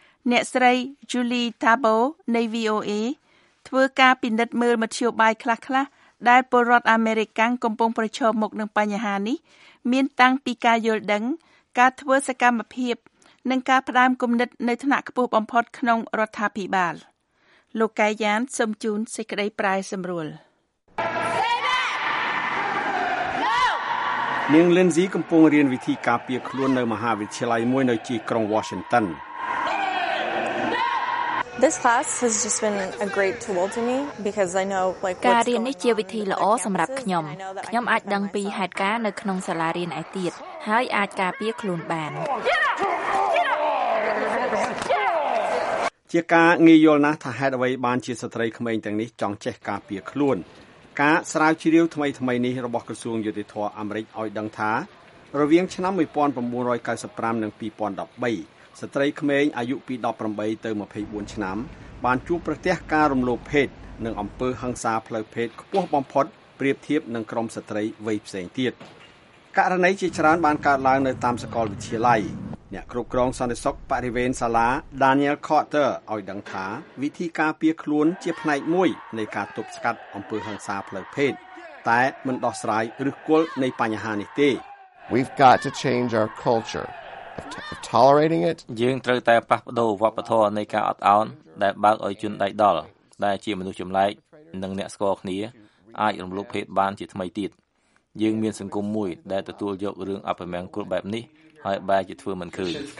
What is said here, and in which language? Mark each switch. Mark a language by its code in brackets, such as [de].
[km] អ្នកស្រី Julie Tabo នៃ VOA ធ្វើការពិនិត្យមើលមធ្យោបាយខ្លះៗដែលពលរដ្ឋអាមេរិកកំពុងប្រឈមមុខនឹងបញ្ហានេះមានតាំងពីការយល់ដឹងការធ្វើសកម្មភាពនិងការផ្ដើមគំនិតនៅថ្នាក់ខ្ពស់បំផុតក្នុងរដ្ឋាភិបាលលោកកាយយ៉ានសំជួនសេចក្តីប្រែសម្រួល នាងលិនស៊ីកំពុងរៀនវិធីការពារខ្លួននៅមហាវិទ្យាល័យមួយនៅជីក្រុង Washington. [en] This class has just been a great tool to me because I know like [km] ការរៀននេះជាវិធីល្អសម្រាប់ខ្ញុំខ្ញុំអាចដឹងពីហេតុការណ៍នៅក្នុងសាលារៀនឯទៀតហើយអាចការពារខ្លួនបាន ជាការងាយយល់ណាស់ថាហេតុអ្វីបានជាស្ត្រីក្មេងទាំងនេះចង់ចេះការពារខ្លួនការស្រាវជ្រាវថ្មីៗនេះរបស់ក្រសួងយុតិធម៌អាមេរិកឲ្យដឹងថារវាងឆ្នាំ1995និង2013 ស្ត្រីក្មេងអាយុពី18ទៅ24ឆ្នាំបានជួបប្រទះការរំលោភភេទនៅអំពើហិង្សាផ្លូវភេទខ្ពស់បំផុតប្រៀបធៀបនឹងក្រុមស្ត្រីវ័យផ្សេងទៀតករណីជាច្រើនបានកើតឡើងនៅតាមសាកលវិទ្យាល័យអ្នកគ្រប់គ្រងសន្តិសុខបរិវេណសាលា Daniel Carter ឲ្យដឹងថាវិធីការពារខ្លួនជាផ្នែកមួយនៃការទប់ស្កាត់អំពើហិង្សាផ្លូវភេទតែមិនដោះស្រាយឬគល់នៃបញ្ហានេះទេ [en] We've got to change our culture of tolerating it [km] យើងត្រូវតែផ្លាស់ប្ដូរវប្បធម៌នៃការអត់ឱនដែលបើកឲ្យជនដៃដល់ដែលជាមនុស្សចម្លែកនិងអ្នកស្គាល់គ្នាអាចរំលោភភេទបានជាថ្មីទៀតយើងមានសង្គមមួយដែលទទួលយករឿងអពមង្គលបែបនេះហើយបែរជាធ្វើមិនឃើញ